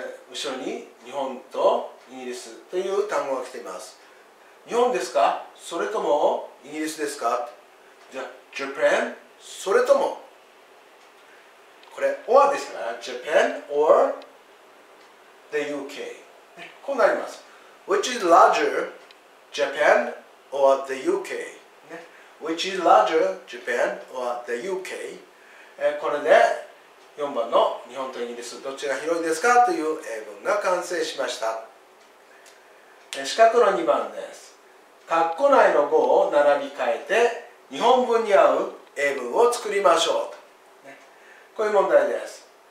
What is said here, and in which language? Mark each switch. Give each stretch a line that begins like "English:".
Japanese: 後ろに日本とイギリスという単語が来ています。日本ですか、それともイギリスですか。じゃあ Japan、 それともこれ or ですから
English: Japan or the UK、
Japanese: こうなります。
English: Which is larger Japan or the UK、 Which is larger Japan or the UK。
Japanese: これで4番の日本とイギリスどっちが広いですかという英文が完成しました。四角の2番です。括弧内の語を並び替えて日本文に合う英文を作りましょうと、ね、こういう問題です。